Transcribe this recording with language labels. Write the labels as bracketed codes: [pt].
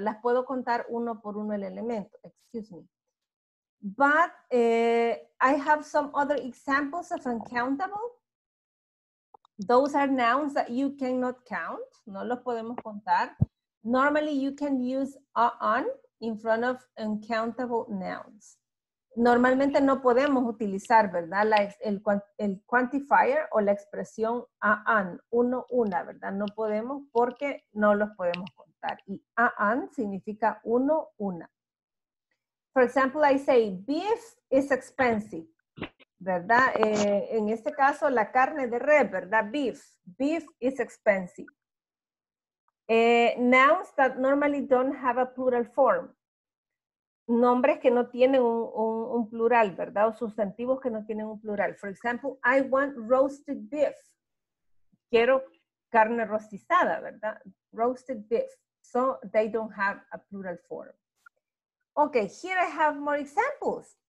[es] Las puedo contar uno por uno el elemento. [en] Excuse me. But I have some other examples of uncountable. Those are nouns that you cannot count. [es] No los podemos contar. [en] Normally you can use an in front of uncountable nouns. [es] Normalmente no podemos utilizar, ¿verdad? El quantifier o la expresión an, uno, una, ¿verdad? No podemos porque no los podemos contar. Y an significa uno, una. [en] For example, I say beef is expensive, [es] ¿verdad? En este caso, la carne de res, ¿verdad? [en] Beef. Beef is expensive. Nouns that normally don't have a plural form. [es] Nombres que no tienen un plural, ¿verdad? O sustantivos que no tienen un plural. [en] For example, I want roasted beef. [es] Quiero carne rostizada, ¿verdad? [en] Roasted beef. So they don't have a plural form. Okay, here I have more examples.